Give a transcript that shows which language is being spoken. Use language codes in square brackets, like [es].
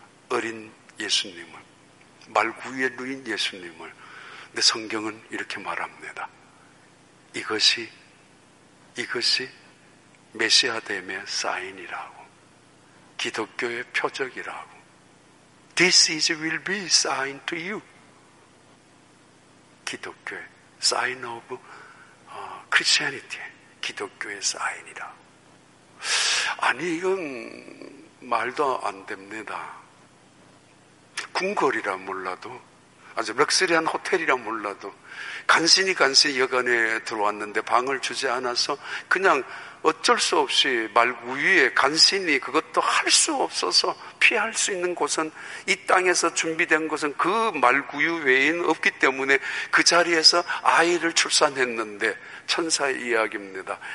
[ko] 어린 예수님을, 말구유의 누인 예수님을. 근데 성경은 이렇게 말합니다. 이것이 메시아됨의 사인이라고, 기독교의 표적이라고. [en] This is will be sign to you. [ko] 기독교의 [en] sign of Christianity. [ko] 기독교의 사인이라고. 아니 이건 말도 안 됩니다. 궁궐이라 몰라도, 아주 럭셔리한 호텔이라 몰라도 간신히 여관에 들어왔는데 방을 주지 않아서 그냥 어쩔 수 없이 말구유에 간신히, 그것도 할 수 없어서 피할 수 있는 곳은, 이 땅에서 준비된 곳은 그 말구유 외에는 없기 때문에 그 자리에서 아이를 출산했는데, 천사의 이야기입니다.